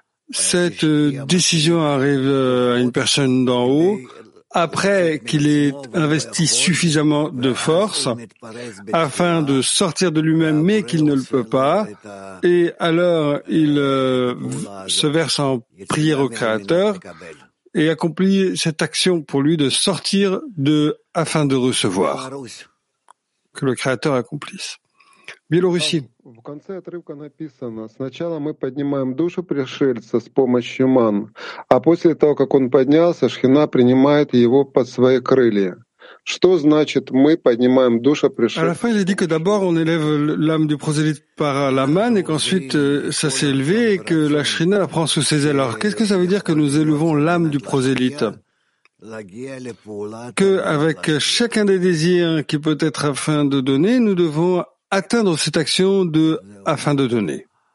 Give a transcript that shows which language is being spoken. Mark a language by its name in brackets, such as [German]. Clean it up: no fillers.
[French] Cette décision arrive à une personne d'en haut, après qu'il ait investi suffisamment de force afin de sortir de lui-même, mais qu'il ne le peut pas, et alors il se verse en prière au Créateur et accomplit cette action pour lui de sortir de afin de recevoir, que le Créateur accomplisse. Biélorussie. [Russian] В конце отрывка написано: сначала мы поднимаем душу пришельца с помощью ман, а после того, как он поднялся, шхина принимает его под свои крылья. Что значит мы поднимаем душу пришельца? [French] À la fin, il est dit que d'abord on élève l'âme du prosélyte par la manne et qu'ensuite ça s'est élevé et que la shrina la prend sous ses ailes. Alors, qu'est-ce que ça veut dire que nous élevons l'âme du prosélyte? Que avec chacun des désirs qui peut être afin de donner, nous devons atteindre cette action de afin de donner.